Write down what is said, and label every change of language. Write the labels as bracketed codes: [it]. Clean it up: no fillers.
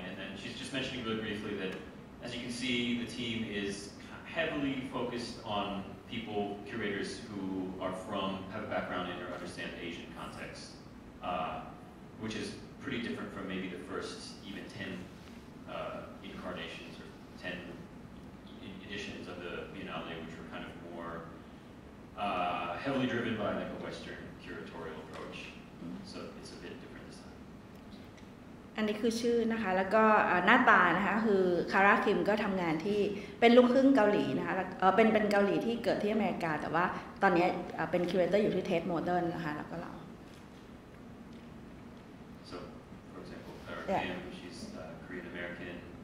[en] And then she's just mentioning really briefly that, as you can see, the team is heavily focused on people, curators who are from, have a background in or understand the Asian context, which is pretty different from maybe the first even 10 incarnations or 10 editions of the Biennale, which were kind of more heavily driven by like a Western curatorial approach. So it's a bit different. [th] อันนี้คือชื่อนะคะแล้วก็หน้าตานะคะคือคาราคิมก็ทำงานที่เป็นลูกครึ่งเกาหลีนะคะเป็นเกาหลีที่เกิดที่อเมริกาแต่ว่าตอนนี้เป็นคิวเรเตอร์อยู่ที่เทสโมเดิร์นนะคะแล้วก็เรา [en] So for example Kara Kim she's Korean American